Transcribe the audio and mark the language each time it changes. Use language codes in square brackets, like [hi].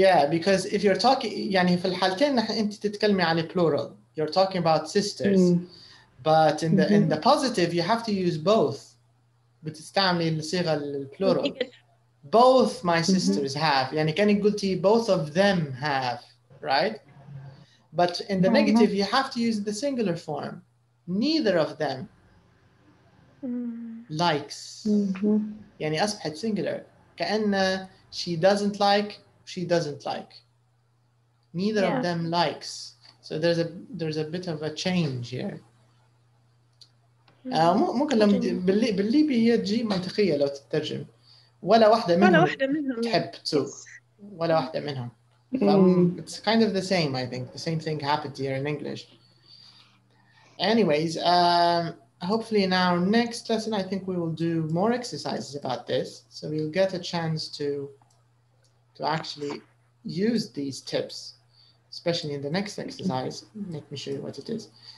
[en] Because if you're talking, [ar] يعني في الحالتين أنت تتكلمي على plural. [en] You're talking about sisters. But in the in the positive, you have to use both. [ar] بتستعملي الصيغة للplural. [en] Both my sisters have. [ar] يعني كأنك قلتي [en] both of them have, right? But in the negative, you have to use the singular form. Neither of them likes. [ar] يعني أصبحت singular. كأن [en] she doesn't like, she doesn't like. Neither of them likes. So there's a bit of a change here. [ar] ممكن لما بالليبي هي تجي منطقية لو تترجم. ولا واحدة منهم تحب تسوق. ولا واحدة منهم. [en] It's kind of the same, I think. The same thing happened here in English. Anyways, hopefully in our next lesson, I think we will do more exercises about this. So we'll get a chance to actually use these tips, especially in the next exercise. Let me show you what it is.